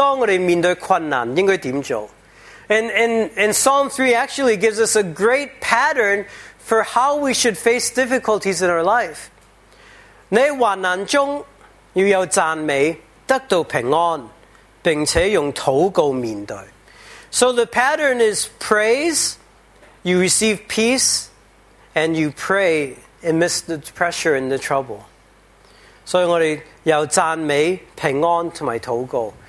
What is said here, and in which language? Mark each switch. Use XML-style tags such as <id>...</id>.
<zh>詩篇第三篇其實是給我們一個很好的教導,當我們面對困難應該怎麼做?</zh> <en>And Psalm 3 actually gives us a great pattern for how we should face difficulties in our life.</en> <zh>你患難中要有讚美,得到平安,並且用禱告面對。</zh> <en>So the pattern is praise, you receive peace, and you pray amidst the pressure and the trouble.</en> <zh>所以我们有赞美、平安和祷告。</zh>